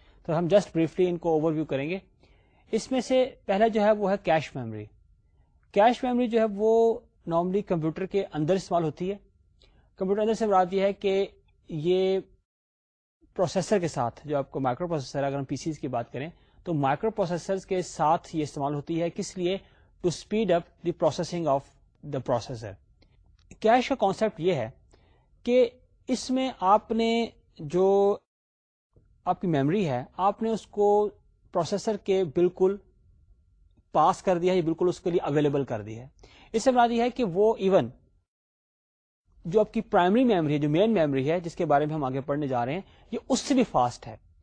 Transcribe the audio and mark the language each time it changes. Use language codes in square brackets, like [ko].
[ur] تو ہم just briefly ان کو اوور ویو کریں گے. اس میں سے پہلا جو ہے وہ ہے کیش میموری. کیش میموری جو ہے وہ نارملی کمپیوٹر کے اندر استعمال ہوتی ہے. کمپیوٹر اندر سے مراد یہ ہے کہ یہ پروسیسر کے ساتھ, جو آپ کو مائکرو پروسیسر, اگر ہم پی سیز کی بات کریں تو مائکرو پروسیسر کے ساتھ یہ استعمال ہوتی ہے. کس لیے؟ [en] To speed up the processing of the processor. [ur] Cash کا کانسیپٹ یہ ہے کہ اس میں آپ نے جو آپ کی میموری ہے آپ نے اس کو پروسیسر کے بالکل پاس کر دیا ہے, بالکل اس کے لیے اویلیبل کر دیا ہے. اس سے مراد یہ ہے کہ وہ ایون جو آپ کی پرائمری میموری ہے, جو مین میموری ہے جس کے بارے میں ہم آگے پڑھنے جا رہے ہیں, یہ اس سے بھی فاسٹ ہے.